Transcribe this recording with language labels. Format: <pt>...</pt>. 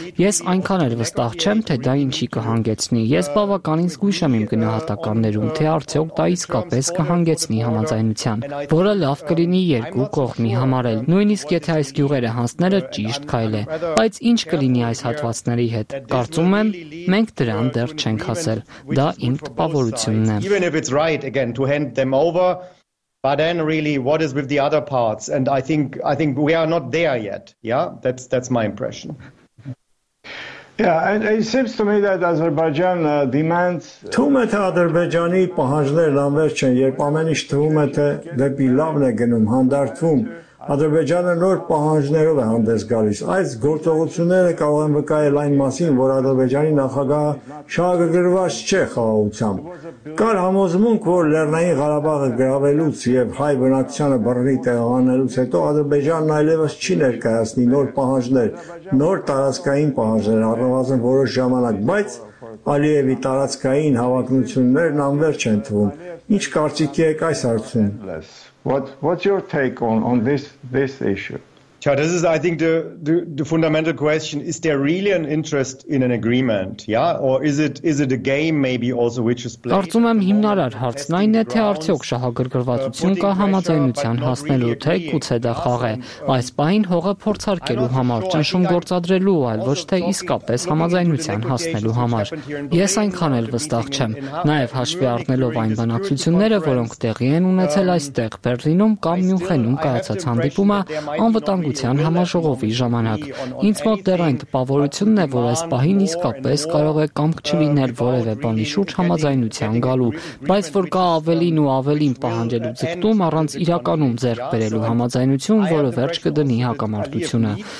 <hy>Ես այնքան էլ վստահ չեմ, թե դա ինչի կհանգեցնի։ Ես բավականին զգույշ եմ իմ գնահատականներում, թե արդյոք դա իսկապես կհանգեցնի համաձայնության, որը լավ կլինի երկու կողմի համար էլ, նույնիսկ եթե այս գյուղերը հանձնելը ճիշտ քայլ է։ Բայց ինչ կլինի այս հատվածների հետ, կարծում եմ, մենք դրան դեռ չենք հասել, դա իմ տպավորությունն է։</hy> <en>But then really, what is with the other parts? And I think we are not there yet. Yeah, that's my impression. Yeah, and it seems to me that Azerbaijan demands...</en> <hy>Թումըթ ադրբեջանի պահանջներ լանվեր չեն, երբ ամենիշ թումըթը դեպի լավն է գնում, հանդարդվում, ադրբեջանը նոր պահանջներով է հանդես գալիս. Այս գործողությունները կարող են վկայել այն մասին, որ ադրբեջանի նախագահը շահագրգռված չէ խաղաղությամբ. Կար համոզմունք, որ Լեռնային Ղարաբաղը գրավելուց եւ հայ բնակչությանը բռնի տեղանելուց հետո ադրբեջանն այլևս չի ներկայացնի նոր պահանջներ, նոր տարածքային պահանջներ առնվազն որոշ ժամանակ, բայց Ալիևի տարածքային հավակնություններն անվերջ են թվում։ Ինչ կարծիք եք այս հարցում?</hy> <en>What's your take on this issue? So this is, I think, the fundamental question: is there really an interest in an agreement, yeah, or is it a game maybe also which is played?</en> <hy>Կարծում եմ հիմնարար հարցն այն է, թե արդյոք շահագրգռվածություն կա համաձայնության հասնելու, թե գուցե դա խաղ է այս պահին հողը փորձարկելու համար, ճնշում գործադրելու, այլ ոչ թե իսկապես համաձայնության հասնելու համար։ Ես այնքան էլ վստահ չեմ, նաև հաշվի առնելով այն բանակցությունները, որոնք տեղի են ունեցել այստեղ Բեռլինում կամ Մյունխենում կայացած հանդիպումը, անվտանգ ցան համաժողովի ժամանակ։ Ինձ մոտ դեռ այն տպավորությունն է, որ այս պահին իսկապես կարող է կամք չլինել որևէ բանի շուրջ համաձայնության գալու, բայց որ կա ավելին ու ավելին պահանջելու ձգտում առանց իրականում ձեռք բերելու համաձայնություն, որը վերջ կդնի հակամարտությունը։</hy>